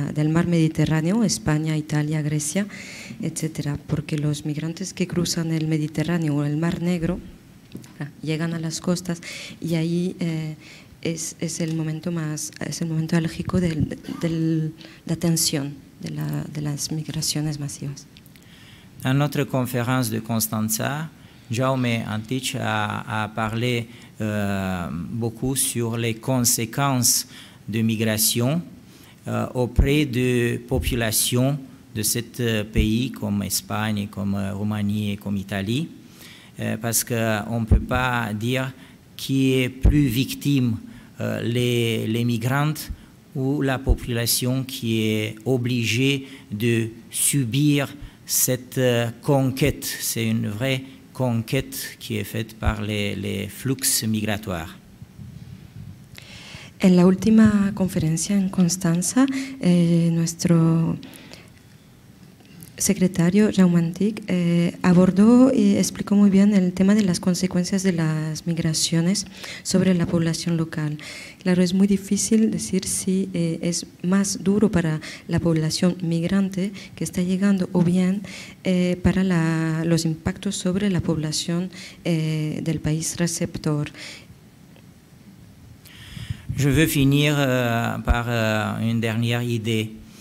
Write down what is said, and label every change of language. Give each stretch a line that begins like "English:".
Spanish: mar Mediterráneo, España, Italia, Grecia, etcétera, porque los migrantes que cruzan el Mediterráneo o el Mar Negro llegan a las costas y ahí es el momento álgico de la tensión de las migraciones masivas.
French: En notre conférence de Constanza, Jaume Antic a parlé beaucoup sur les conséquences de migration auprès de populations de ces pays comme Espagne, comme Roumanie et comme Italie. Parce qu'on ne peut pas dire qui est plus victime, les migrants ou la population qui est obligée de subir cette conquête. C'est une vraie conquête qui est faite par les flux migratoires.
Spanish: En la última conferencia en Constanza, nuestro secretario Jaume Antic abordó y explicó muy bien el tema de las consecuencias de las migraciones sobre la población local. Claro, es muy difícil decir si es más duro para la población migrante que está llegando o bien para los impactos sobre la población del país receptor.
French: Je veux finir par une dernière idée.